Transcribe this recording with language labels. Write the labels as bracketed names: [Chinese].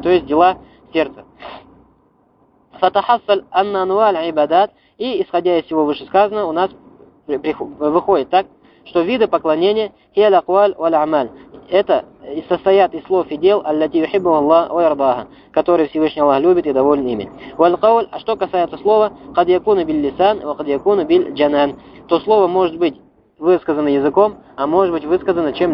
[Russian] То есть дела сердца. [Arabic] فَتَحَصَّلْ أَنَّ أَنْوَى الْعِبَادَاتِ. [Russian] И исходя из всего вышесказанного, у нас выходит так, что виды поклонения [Arabic] هي الأقوال والأعمال. [Russian] Это состоят из слов и дел, [Arabic] аллати юхиббу Аллах ва йардаха, [Russian] которые Всевышний Аллах любит и доволен ими. [Arabic] والقول, [Russian] а что касается слова, [Arabic] قد يكون باللسان وقد يكون بالجنان. [Russian] То слово может быть высказано языком, а может быть высказано чем?